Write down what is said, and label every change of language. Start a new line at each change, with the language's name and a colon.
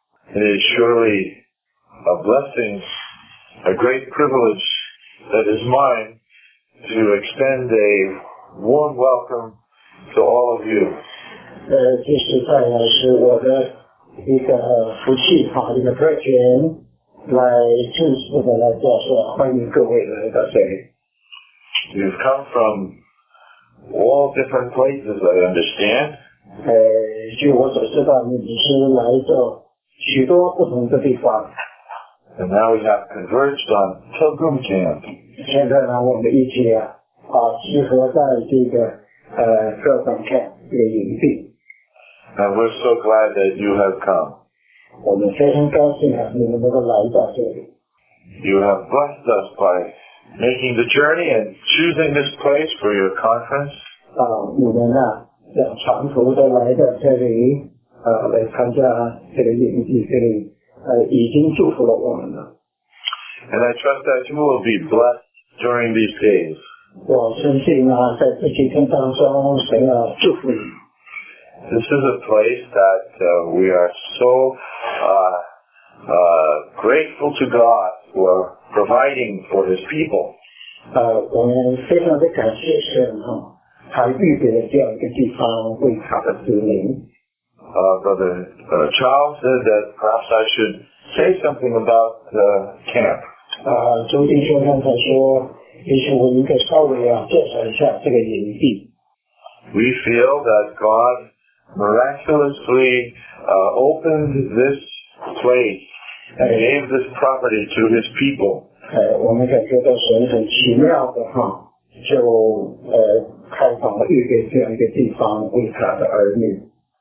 English: It is surely a blessing, a great privilege that is mine to extend a warm welcome to all of you.
Chinese: 这是在是我的一个福气啊，一个特权，来正式的来做说，欢迎各位来到这里。
English: You've come from all different places, I understand.
Chinese: 据我所知道，你是来自许多不同的地方。
English: And now we have converged on Pilgrim Camp.
Chinese: 现在呢，我们一起啊，集合在这个Pilgrim Camp 这个营地。
English: And we're so glad that you have come.
Chinese: 我们非常高兴啊，你们能够来到这里。
English: You have blessed us by making the journey and choosing this place for your conference.
Chinese: 你们啊，要长途的来到这里，来参加这个营地，这里已经祝福了我们了。
English: And I trust that you will be blessed during these days.
Chinese: 我深信啊，在这几天当中，神要祝福你。
English: This is a place that we are so grateful to God for providing for His people.
Chinese: 我们非常的感谢神哈，他预备了这样一个地方为他的子民。
English: Brother Charles said that perhaps I should say something about the camp.
Chinese: 周弟兄刚才说，也许我应该稍微啊介绍一下这个营地。
English: We feel that God. Miraculously opened this place and gave this property to his people.
Chinese: 我们感觉到神很奇妙的哈，就开放了预备这样一个地方为他的儿女。